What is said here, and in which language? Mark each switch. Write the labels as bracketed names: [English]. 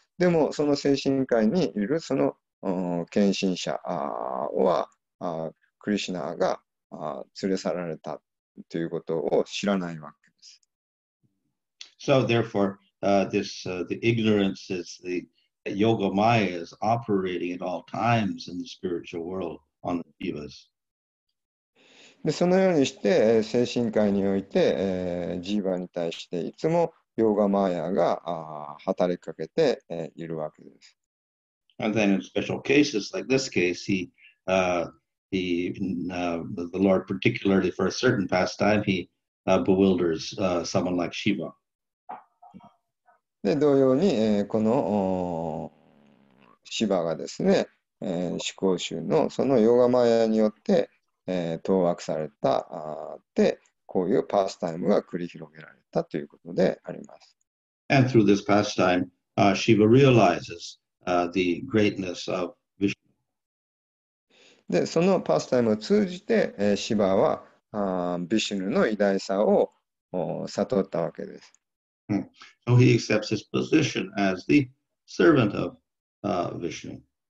[Japanese] でもその精神界にいるその献身者はクリシナが連れ去られたということを知らないわけです。 [English] So therefore the ignorance is the yoga maya is operating at all times in the spiritual world on the jivas. [Japanese] でそのようにして精神界において、ジーバに対していつもヨガマヤが働きかけて、いるわけです。 [English] And then in special cases like this case, the Lord particularly for a certain pastime, bewilders someone like Shiva. [Japanese] で同様に、このShivaがですね、思考集のそのヨガマヤによって、当惑されたで、こういうパスタイムが繰り広げられたということであります。 [English] And through this pastime, Shiva realizes the greatness of Vishnu. [Japanese] で、そのパスタイムを通じて、シヴァはVishnuの偉大さを悟ったわけです。 [English] So he accepts his position as the servant of Vishnu.